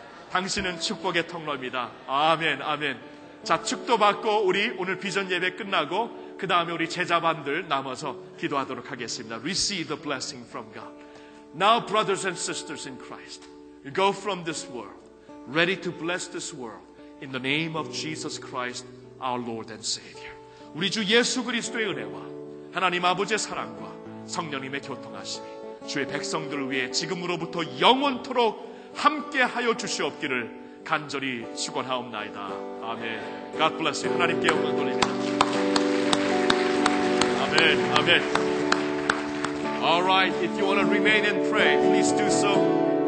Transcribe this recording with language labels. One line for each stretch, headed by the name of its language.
Korean: 당신은 축복의 통로입니다. 아멘, 아멘. 자, 축도 받고 우리 오늘 비전 예배 끝나고 그 다음에 우리 제자반들 남아서 기도하도록 하겠습니다.
English: Receive the blessing from God. Now, brothers and sisters in Christ, go from this world, ready to bless this world. In the name of Jesus Christ, our Lord and Savior.
Korean: 우리 주 예수 그리스도의 은혜와 하나님 아버지의 사랑과 성령님의 교통하심이 주의 백성들을 위해 지금으로부터 영원토록 함께하여 주시옵기를 간절히 축원하옵나이다.
English: 아멘. God bless you.
Korean: 하나님께 영광 돌립니다. 아멘. 아멘.
English: Alright, if you want to remain and pray, please do so.